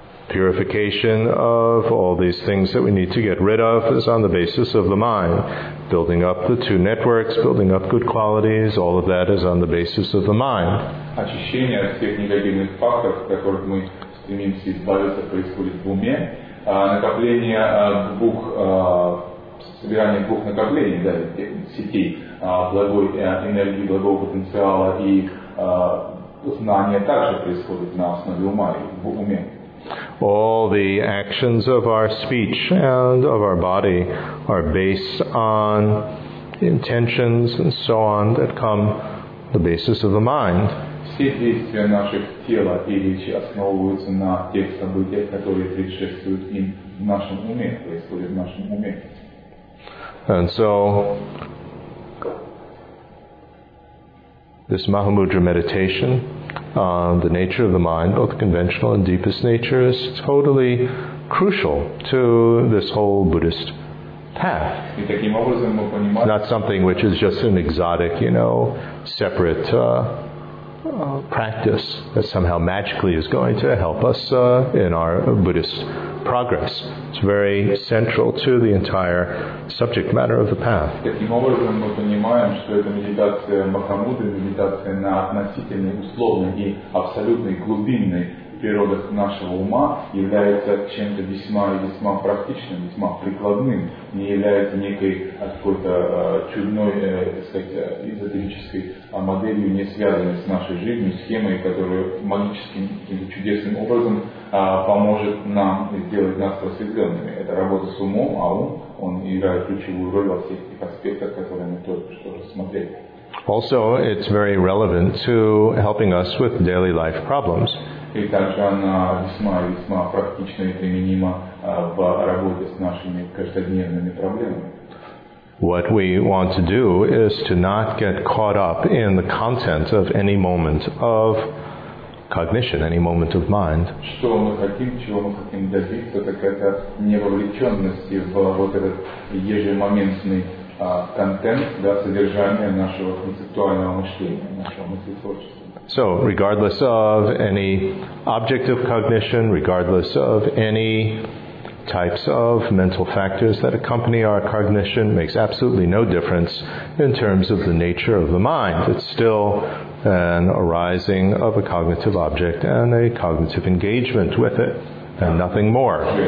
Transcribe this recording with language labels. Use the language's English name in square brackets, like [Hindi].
[English] Purification of all these things that we need to get rid of is on the basis of the mind. Building up the two networks, building up good qualities, all of that is on the basis of the mind. [Russian] Очищение от всех негативных факторов, которых мы стремимся избавиться, происходит в уме. Накопление двух собирание двух накоплений, да, сетей благой энергии, благого потенциала и знания также происходит на основе ума и в уме. [English] All the actions of our speech and of our body are based on intentions and so on that come the basis of the mind. [Russian] Все действия наших тела и речи основываются на тех событиях, которые предшествуют им в нашем уме, происходят в нашем уме. [English] And so, this Mahamudra meditation on the nature of the mind, both conventional and deepest nature, is totally crucial to this whole Buddhist path. It's not something which is just an exotic, you know, separate practice that somehow magically is going to help us in our Buddhist progress. It's very central to the entire subject matter of the path. [Russian] Природа нашего ума является чем-то весьма и весьма практичным, весьма прикладным, не является некой какой-то чудной, так сказать, эзотерической моделью, не связанной с нашей жизнью, схемой, которая магическим или чудесным образом поможет нам сделать нас просветленными. Это работа с умом, а ум, он играет ключевую роль во всех этих аспектах, которые мы только что рассмотрели. [English] Also, it's very relevant to helping us with daily life problems. [Russian] И также она весьма и весьма практична и применима в работе с нашими каждодневными проблемами. [English] What we want to do is to not get caught up in the content of any moment of cognition, any moment of mind. [Russian] Что мы хотим, чего мы хотим добиться, так это не вовлеченности в вот этот ежемоментный контент, да, содержание нашего концептуального мышления, нашего мыслетворчества. [English] So, regardless of any object of cognition, regardless of any types of mental factors that accompany our cognition, makes absolutely no difference in terms of the nature of the mind. It's still an arising of a cognitive object and a cognitive engagement with it, and nothing more.